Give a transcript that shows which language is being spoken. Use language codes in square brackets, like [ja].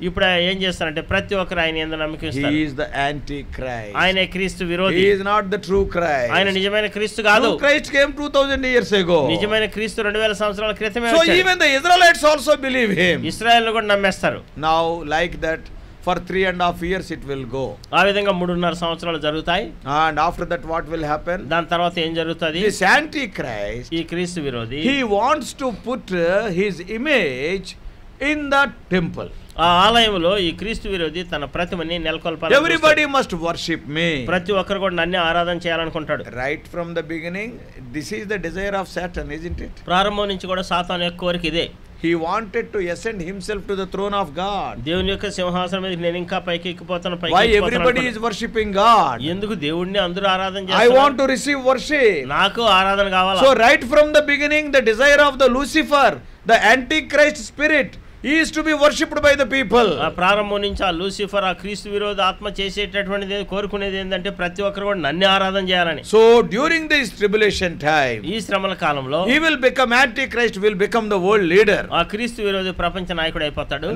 [te] ఇప్పుడు ఏం చేస్తాడంటే ప్రతి ఒక్కరు ఆయన నమ్ముకుంటారు. [en] He is the Antichrist. [te] ఆయన క్రీస్తు విరోధి. [en] He is not the true Christ. [te] ఆయన నిజమైన క్రీస్తు కాదు. [en] Christ came 2000 years ago. [te] నిజమైన క్రీస్తు 2000 సంవత్సరాల క్రితమే. [en] So even the Israelites also believe him. [te] Israel కూడా నమ్మేస్తారు. [en] Now like that For 3.5 years it will go. And after that what will happen? This Antichrist, he wants to put his image in the temple. [te] ఆలయంలో ఈ క్రీస్తు విరోధి తన ప్రతిమని నెలకొల్పాలి. [en] Everybody must worship me. [te] ప్రతి ఒక్కరు కూడా నన్నే ఆరాధన చేయాలనుకుంటాడు. [en] Right from the beginning this is the desire of Satan isn't it. [te] ప్రారంభం నుంచి కూడా సాతాన్ యొక్క కోరిక ఇదే. [en] He wanted to ascend himself to the throne of God. [te] దేవుని యొక్క సింహాసనం మీద నేను ఇంకా పైకి ఎక్కిపోతాను. [en] Why everybody is worshiping God? [te] ఎందుకు దేవుణ్ణి అందరూ ఆరాధన చేస్తారు? [en] I want to receive worship. [te] నాకు ఆరాధన కావాలి. [en] So right from the beginning the desire of the Lucifer, the Antichrist spirit, he is to be worshipped by the people. [te] ప్రారంభం నుంచి ఆ లూసిఫర్ ఆ క్రీస్తు విరోధ ఆత్మ చేసేటటువంటిది కోరుకునేది ఏంటంటే ప్రతి ఒక్కరు కూడా నన్ను ఆరాధన చేయాలని. [en] so during this tribulation time, [te] ఈ శ్రమల కాలంలో, [en] He will become Antichrist, will become the world leader. [te] ఆ క్రీస్తు విరోధి ప్రపంచ నాయకుడు అయిపోతాడు.